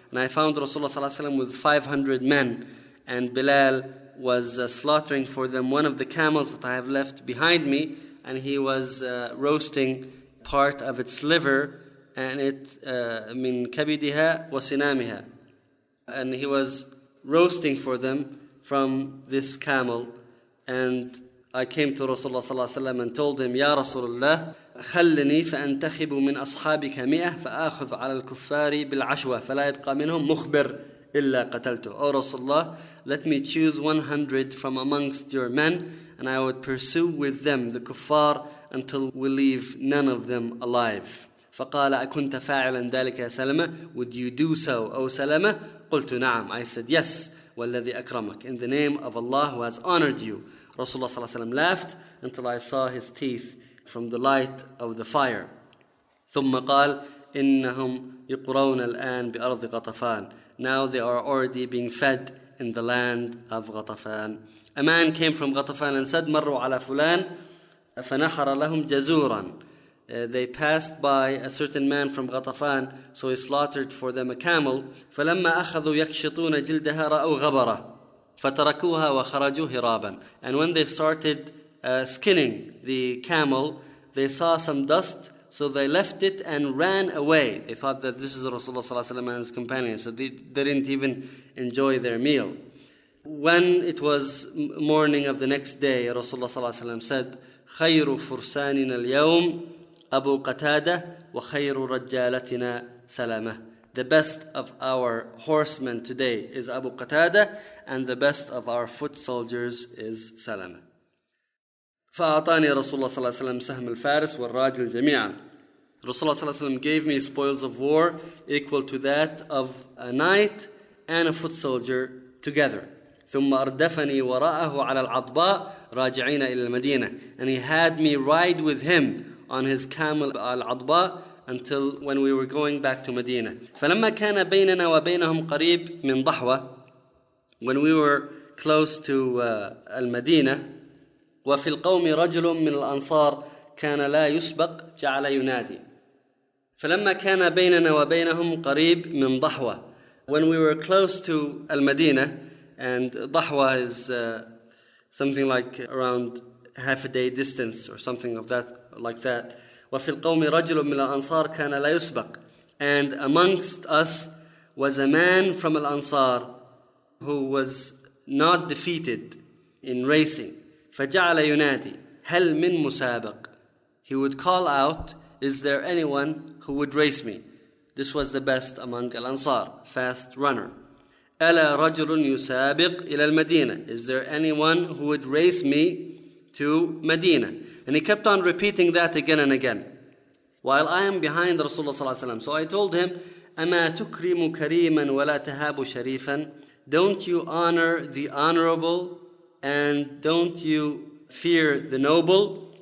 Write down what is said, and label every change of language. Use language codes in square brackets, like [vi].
[en] And I found Rasulullah صلى الله عليه وسلم with 500 men, and Bilal was slaughtering for them one of the camels that I have left behind me, and he was roasting part of its liver, and it [ar] min kabidiha wa sinamiha, [en] and he was roasting for them from this camel, and I came to Rasulullah sallallahu alayhi wa sallam and told him, Ya Rasulullah, [ar] خلني فأنتخب من أصحابك مئة فأخذ على الكفار بالعشوة فلا يبقى منهم مخبر إلا قتلته. [en] Oh Rasulullah, let me choose 100 from amongst your men and I would pursue with them the kuffar until we leave none of them alive. [ar] فقال أكنت فاعلا ذلك يا سلمة؟ [en] Would you do so, O [ar] سلمة؟ قلت نعم. [en] I said yes. [ar] والذي أكرمك. [en] In the name of Allah who has honored you. Rasulullah sallallahu alayhi wa sallam laughed until I saw his teeth from the light of the fire. [ar] ثم قال إنهم يقرون الآن بأرض غطفان. [en] Now they are already being fed in the land of Ghatafan. A man came from Ghatafan and said [ar] مروا على فلان فنحر لهم جزورا. [en] They passed by a certain man from Ghatafan, so he slaughtered for them a camel. [ar] فلما أخذوا يكشطون جلدها رأوا غبرة فتركوها وخرجوا هرابا. [en] And when they started skinning the camel, they saw some dust, so they left it and ran away. They thought that this is Rasulullah ﷺ and his companions, so they didn't even enjoy their meal. When it was morning of the next day, Rasulullah ﷺ said, [ar] خير فرساننا اليوم أبو قتادة وخير رجالتنا سلامة. [en] The best of our horsemen today is Abu Qatada, and the best of our foot soldiers is Salama. [ar] فأعطاني رسول الله صلى الله عليه وسلم سهم الفارس والراجل جميعا. [en] رسول الله صلى الله عليه وسلم gave me spoils of war equal to that of a knight and a foot soldier together. [ar] ثم أردفني وراءه على العضباء راجعين إلى المدينة. [en] And he had me ride with him on his camel العضباء until when we were going back to Medina. [ar] فلما كان بيننا وبينهم قريب من ضحوة, [en] when we were close to [ar] المدينة, وفي القوم رجل من الأنصار كان لا يسبق جعل ينادي. فلما كان بيننا وبينهم قريب من ضحوة, [en] when we were close to المدينة, and ضحوة is something like around half a day distance or something of that like that. [ar] وفي القوم رجل من الأنصار كان لا يسبق. [en] And amongst us was a man from الأنصار who was not defeated in racing. [ar] فجعل ينادي هل من مسابق. [en] He would call out, is there anyone who would race me? This was the best among الأنصار, fast runner. [ar] ألا رجل يسابق إلى المدينة. [en] Is there anyone who would race me to Medina? And he kept on repeating that again and again. While I am behind Rasulullah sallallahu alayhi wa sallam. So I told him, [ar] أَمَا تُكْرِمُ كَرِيمًا وَلَا تَهَابُ شَرِيفًا. [en] Don't you honor the honorable and don't you fear the noble?